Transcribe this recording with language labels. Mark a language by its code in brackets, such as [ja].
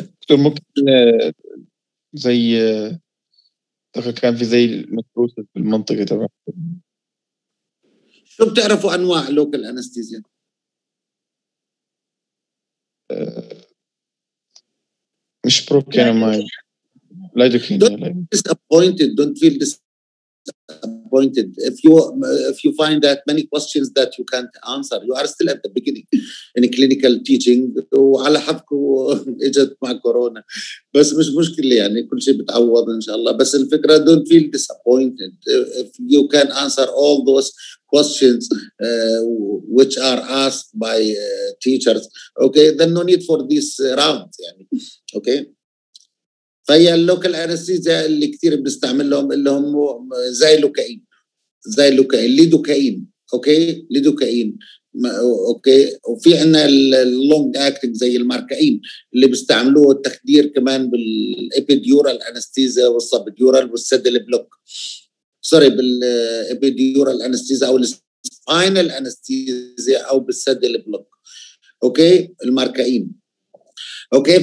[ar] ممكن زي كان في زي المكروس في المنطقة تبع. شو بتعرفوا أنواع لوكال أنستيزيا؟ مش بروكينا ماي لايدوكينا. [en] Don't feel disappointed. Don't feel disappointed. If you find that many questions that you can't answer, you are still at the beginning in clinical teaching. [ar] وعلى حظكم اجت مع كورونا، بس مش مشكلة يعني كل شيء بتعوض إن شاء الله. بس الفكرة [en] don't feel disappointed if you can answer all those questions which are asked by teachers. Okay, then no need for this round. يعني okay. [ar] فهي اللوكال انستيزيا اللي كثير بنستعملهم اللي هم زي لوكاين ليدوكاين اوكي ليدوكاين اوكي، وفي عندنا اللونج اكتنج زي الماركاين اللي بيستعملوه التخدير كمان بالابيديورال انستيزيا والسبديورال والسدل بلوك، سوري بالابيديورال انستيزيا او السباينال انستيزيا او بالسدل بلوك اوكي الماركاين اوكي.